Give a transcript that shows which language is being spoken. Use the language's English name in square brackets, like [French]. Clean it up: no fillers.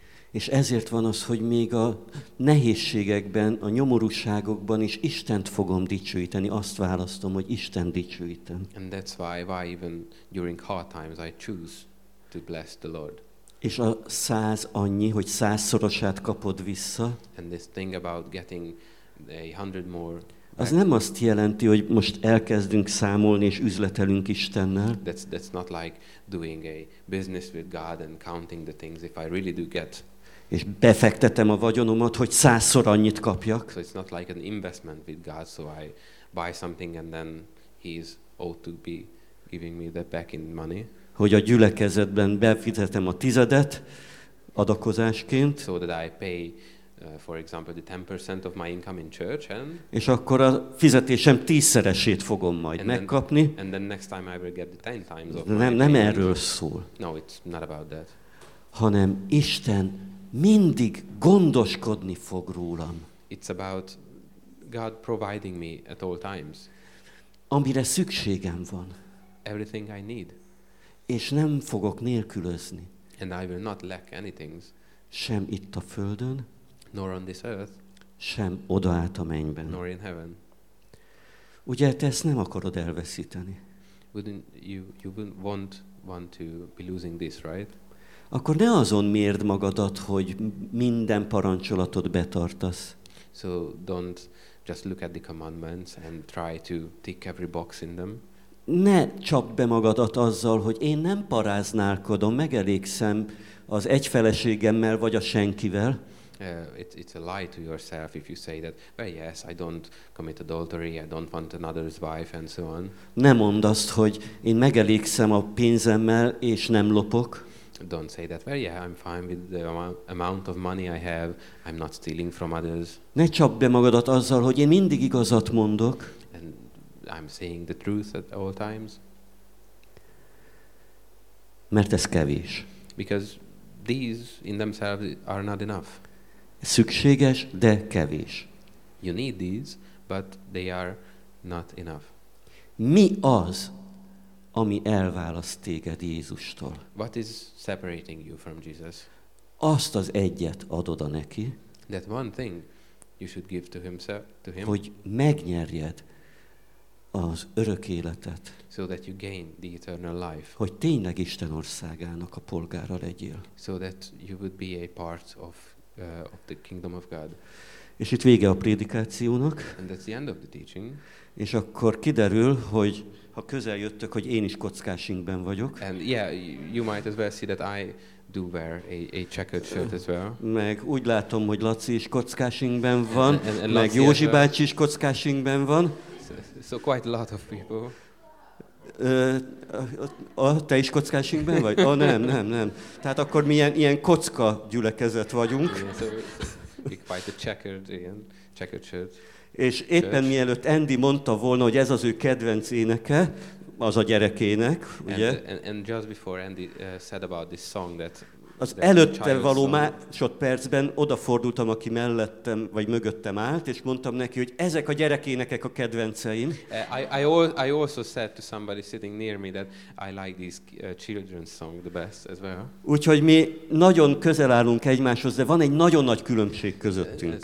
[Hungarian] És ezért van az, hogy még a nehézségekben, a nyomorúságokban is Istent fogom dicsőíteni, azt választom, hogy Isten dicsőítem. [English] And that's why even during hard times I choose to bless the Lord. [Hungarian] És a 100 annyi, hogy 100-szorosát kapod vissza. [English] And this thing about getting 100 more. [Hungarian] Az nem azt jelenti, hogy most elkezdünk számolni és üzletelünk Istennel. [English] That's not like doing a business with God and counting the things if I really do get. [Hungarian] És befektetem a vagyonomat, hogy 100-szor annyit kapjak. [English] So it's not like an investment with God, so I buy something and then he is owed to be giving me that back in money. [Hungarian] Hogy a gyülekezetben befizetem a tizedet adakozásként. [English] So that I pay for example the 10% of my income in church and [Hungarian] és akkor a fizetésem 10-szeresét fogom majd megkapni. [English] And then next time I will get the 10 times of [Hungarian] nem erről szól. [English] No, it's not about that. [Hungarian] Hanem Isten mindig gondoskodni fog rólam. [English] It's about God providing me at all times. [Hungarian] Amire szükségem van. [English] Everything I need. [Hungarian] És nem fogok nélkülözni. [English] And I will not lack anything. [Hungarian] Sem itt a földön. [English] Nor on this earth. [Hungarian] Sem oda át a mennyben. [English] Nor in heaven. [Hungarian] Ugye te ezt nem akarod elveszíteni? [English] You wouldn't want to be losing this, right? [Hungarian] Akkor ne azon mérd magadat, hogy minden parancsolatot betartasz. [English] So don't just look at the commandments and try to tick every box in them. [Hungarian] ne csapd be magadat azzal, hogy én nem paráználkodom, megelégszem az egyfeleségemmel vagy a senkivel. [English] It's a lie to yourself if you say that, well, yes, I don't commit adultery, I don't want another's wife, and so on. [Hungarian] Ne mondd azt, hogy én megelégszem a pénzemmel, és nem lopok. [English] Don't say that, well, yeah, I'm fine with the amount of money I have, I'm not stealing from others. [Hungarian] Ne csapd be magadat azzal, hogy én mindig igazat mondok. [English] And I'm saying the truth at all times. [Hungarian] Mert ez kevés. [English] Because these in themselves are not enough. [Hungarian] Szükséges, de kevés. [English] You need these, but they are not enough. [Hungarian] Mi az, ami elválaszt téged Jézustól? [English] What is separating you from Jesus? [Hungarian] Azt az egyet adod a neki. [English] That one thing you should give to himself, to him. [Hungarian] Hogy megnyerjed az örök életet. [English] So that you gain the eternal life. [Hungarian] Hogy tényleg Isten országának a polgára legyél. [English] So that you would be a part of the kingdom of God. [Hungarian] És itt vége a prédikációnak. [English] And that's the end of the teaching. [Hungarian] És akkor kiderül, hogy ha közel jöttök, hogy én is kockásinkben vagyok. [English] And yeah, you might as well see that I do wear a checkered shirt as well. [Hungarian] Meg úgy látom, hogy Laci is kockásinkben van, and meg Laci Józsi bácsi is kockásinkben van. [English] So quite a lot of people. [Hungarian] Te is kockásinkben vagy? Oh, nem. Tehát akkor mi ilyen kocka gyülekezet vagyunk. [English] Quite a checkered shirt. [Hungarian] És éppen mielőtt Andy mondta volna, hogy ez az ő kedvenc éneke, az a gyerekének, ugye? [English] And just before Andy said about this song that [Hungarian] az előtte való másodpercben odafordultam, aki mellettem vagy mögöttem állt, és mondtam neki, hogy ezek a gyerekének a kedvenceim. [English] I also said to somebody sitting near me that I like this children's song the best as well. [Hungarian] Úgyhogy mi nagyon közel állunk egymáshoz, de van egy nagyon nagy különbség közöttünk.